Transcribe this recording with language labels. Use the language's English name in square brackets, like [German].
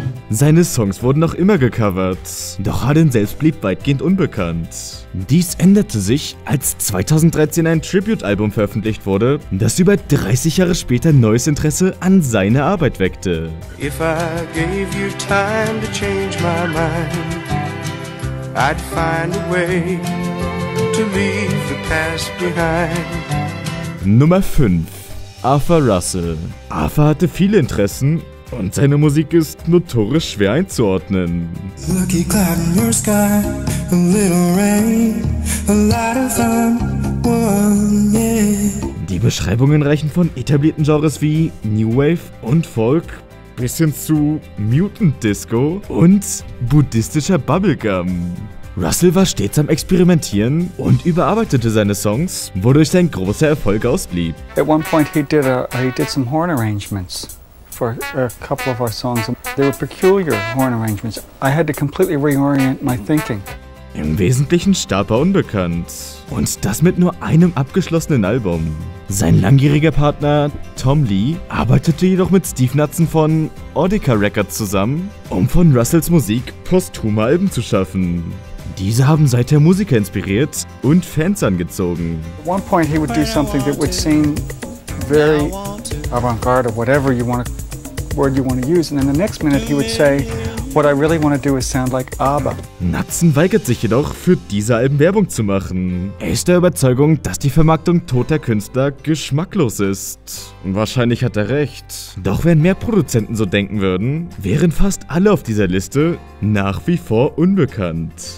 [German] Seine Songs wurden noch immer gecovert, doch Hardin selbst blieb weitgehend unbekannt. Dies änderte sich, als 2013 ein Tribute-Album veröffentlicht wurde, das über 30 Jahre später neues Interesse an seiner Arbeit weckte. [English] If I gave you time to change my mind, I'd find a way to leave the past behind. [German] Nummer 5. Arthur Russell. Arthur hatte viele Interessen und seine Musik ist notorisch schwer einzuordnen. [English] Lucky cloud in your sky, a little rain, a lot of fun, one, yeah. [German] Die Beschreibungen reichen von etablierten Genres wie New Wave und Folk bis hin zu Mutant Disco und buddhistischer Bubblegum. Russell war stets am Experimentieren und überarbeitete seine Songs, wodurch sein großer Erfolg ausblieb. [English] At one point he did some horn arrangements for a couple of our songs. They were peculiar horn arrangements. I had to completely reorient my thinking. [German] Im Wesentlichen starb er unbekannt. Und das mit nur einem abgeschlossenen Album. Sein langjähriger Partner Tom Lee arbeitete jedoch mit Steve Knutson von Audica Records zusammen, um von Russells Musik posthume Alben zu schaffen. Diese haben seither Musiker inspiriert und Fans angezogen. [English] At one point he would do something that would seem very avant-garde or whatever you want word you want to use, and then the next minute he would say, what I really want to do is sound like ABBA. [German] Knutson weigert sich jedoch, für diese Alben Werbung zu machen. Er ist der Überzeugung, dass die Vermarktung toter Künstler geschmacklos ist. Wahrscheinlich hat er recht. Doch wenn mehr Produzenten so denken würden, wären fast alle auf dieser Liste nach wie vor unbekannt.